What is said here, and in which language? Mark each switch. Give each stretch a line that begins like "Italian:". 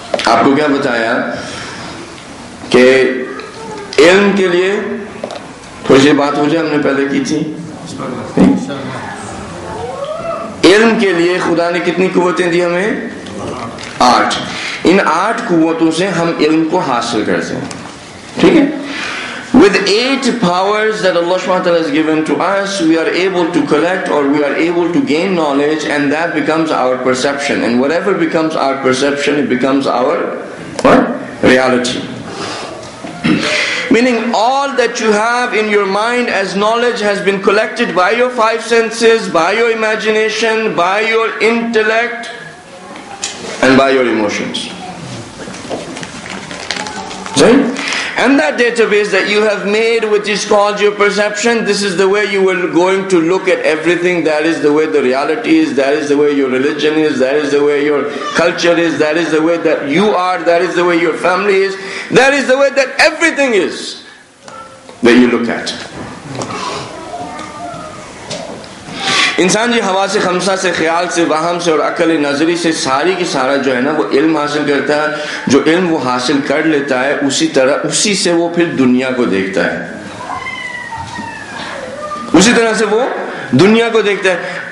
Urdu: آپ کو کیا بتایا کہ علم کے لیے تھوڑی سی بات ہو جائے، ہم نے پہلے کی تھی، علم کے لیے خدا نے کتنی قوتیں دی ہمیں؟ 8. ان 8 قوتوں سے ہم علم کو حاصل کرتے ہیں، ٹھیک ہے.
English: With 8 powers that Allah subhanahu wa ta'ala has given to us, we are able to collect or we are able to gain knowledge, and that becomes our perception. And whatever becomes our perception, it becomes our what? Reality. Meaning all that you have in your mind as knowledge has been collected by your 5 senses, by your imagination, by your intellect, and by your emotions. See? And that database that you have made, which is called your perception, this is the way you were going to look at everything. That is the way the reality is, that is the way your religion is, that is the way your culture is, that is the way that you are, that is the way your family is, that is the way that everything is that you look at.
Urdu: انسان جی حواس خمسہ سے، خیال سے، وہم سے اور عقل نظری سے ساری کی سارا جو ہے نا وہ علم حاصل کرتا ہے. جو علم وہ حاصل کر لیتا ہے اسی طرح اسی سے وہ پھر دنیا کو دیکھتا ہے، اسی طرح سے وہ دنیا کو دیکھتا ہے.